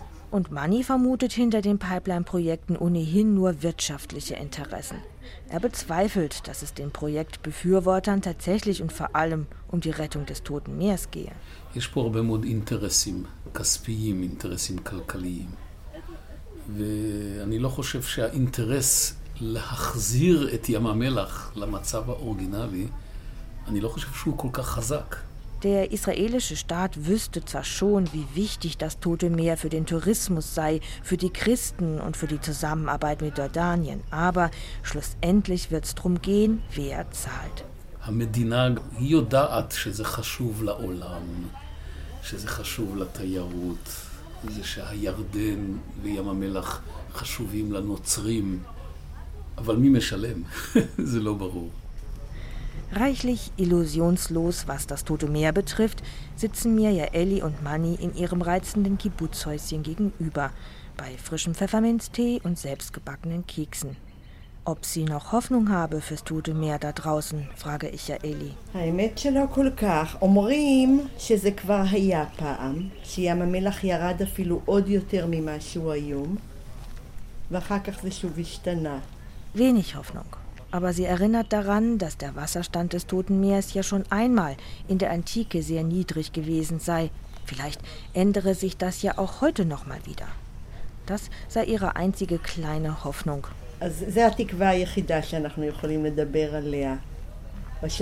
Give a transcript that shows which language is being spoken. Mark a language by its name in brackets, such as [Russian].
[German] Und Mani vermutet hinter den Pipeline-Projekten ohnehin nur wirtschaftliche Interessen. Er bezweifelt, dass es den Projektbefürwortern tatsächlich und vor allem um die Rettung des Toten Meeres gehe. Es gibt viele Interessen, Kaspiim, Interessen, Kalkaliim. Und ich glaube nicht, dass das Interesse, [Hebrew] להחזיר את ים המלח למצב האורגינלי, אני לא חושב שהוא כל כך חזק. [German] Der israelische Staat wüsste zwar schon, wie wichtig das Tote Meer für den Tourismus sei, für die Christen und für die Zusammenarbeit mit Jordanien, aber schlussendlich wird es darum gehen, wer zahlt. [Hebrew] המדינה היא יודעת שזה חשוב לעולם, שזה חשוב לתיירות, זה שהירדן וים המלח חשובים לנוצרים, אבל מי משלם? זה לא ברור. [German] Reichlich illusionslos, was das Tote Meer betrifft, sitzen mir ja Elli und Manni in ihrem reizenden Kibbutzhäuschen gegenüber, bei frischem Pfefferminztee und selbstgebackenen Keksen. Ob sie noch Hoffnung habe fürs Tote Meer da draußen, frage ich ja Elli. [Hebrew] האמת שלא כל כך. אומרים שזה כבר היה פעם, שים המלח ירד אפילו עוד יותר ממה שהוא היום, ואחר כך זה שוב השתנה. [German] Wenig Hoffnung. Aber sie erinnert daran, dass der Wasserstand des Toten Meeres ja schon einmal in der Antike sehr niedrig gewesen sei. Vielleicht ändere sich das ja auch heute noch mal wieder. Das sei ihre einzige kleine Hoffnung. Also, das ist die einzige, die wir können über sie sprechen.